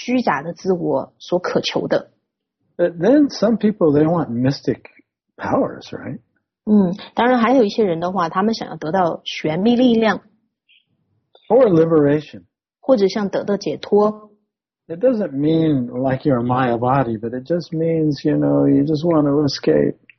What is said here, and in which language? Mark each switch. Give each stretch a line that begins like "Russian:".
Chinese: 而这一切都是这个虚假的自我所渴求的。
English: But then some people, they want mystic powers, right?
Chinese: 当然还有一些人的话，他们想要得到玄秘力量。
English: Or liberation.
Chinese: 或者想得到解脱。
English: It doesn't mean like you're a Maya body, but it just means, you know, you just want to escape.